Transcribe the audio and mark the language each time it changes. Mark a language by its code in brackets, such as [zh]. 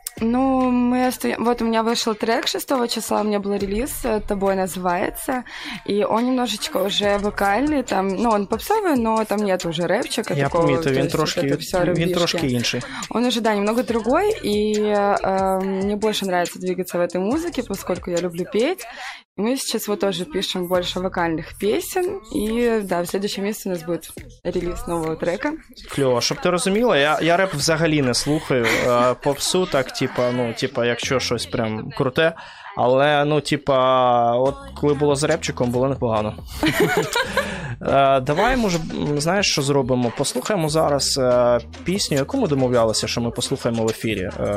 [uk] Ну, от у мене вийшов трек 6-го числа, у мене був реліз, «Тобой називається», і він немножечко вже вокальний, там, ну, він попсовий, але там нет вже репчика. Я помітив, він трошки інший. Він вже, да, [ru] немного другой, [uk] і мені більше нравится двигатися в этой музиці, [ru] поскольку я люблю петь. Мы сейчас вот тоже пишем больше вокальных песен, и да, в следующем месяце у нас будет релиз нового трека. Клево, чтобы ты разумела, [uk] я рэп взагалі не слухаю, попсу так, типа, ну, типа, якщо щось прям круте, але, ну, типа, от коли було з репчиком, було непогано. Давай, може, знаєш, що зробимо? Послухаємо зараз пісню, яку ми домовлялися, що ми послухаємо в ефірі.